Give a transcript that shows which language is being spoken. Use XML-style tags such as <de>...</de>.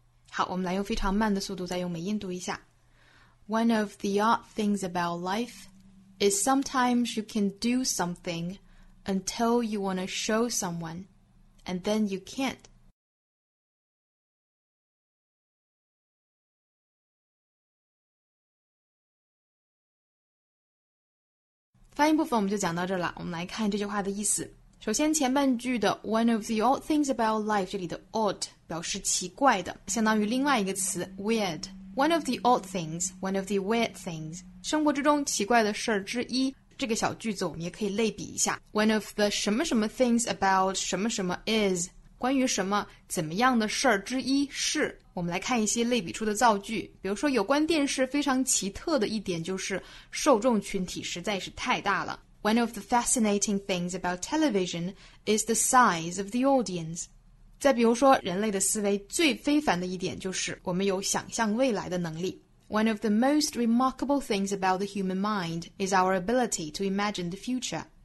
<zh>好，我们来用非常慢的速度再用美音读一下。</zh> <en>One of the odd things about life is sometimes you can do something until you want to show someone, and then you can't.</en> <zh>翻译部分我们就讲到这了。我们来看这句话的意思。首先前半句的</zh> <en>one of the odd things about life,</en> <zh>这里的 odd 表示奇怪的，相当于另外一个词 weird。</zh> <en>One of the odd things, one of the weird things,</en> <zh>生活之中奇怪的事儿之一，这个小句子我们也可以类比一下。</zh> <en>One of the</en> <zh>什么什么</zh> <en>things about</en> <zh>什么什么 is, 关于什么怎么样的事儿之一是。我们来看一些类比出的造句，比如说有关电视非常奇特的一点就是受众群体实在是太大了。</zh> <en>One of the fascinating things about television is the size of the audience.</en> <zh>再比如说人类的思维最非凡的一点就是我们有想象未来的能力。</zh> <en>One of the most remarkable things about the human mind is our ability to imagine the future.</en>